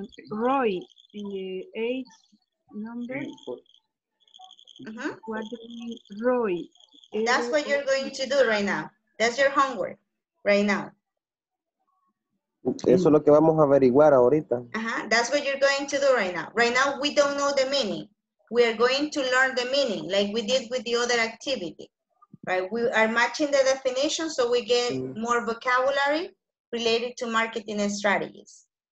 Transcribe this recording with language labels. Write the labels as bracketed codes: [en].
[en] Roy, in the 8 number, what do you mean, Roy? That's what you're going to do right now. That's your homework right now. [es] Eso es lo que vamos a averiguar ahorita. [en] That's what you're going to do right now. Right now, we don't know the meaning. We are going to learn the meaning like we did with the other activity, right? We are matching the definition so we get more vocabulary related to marketing and strategies.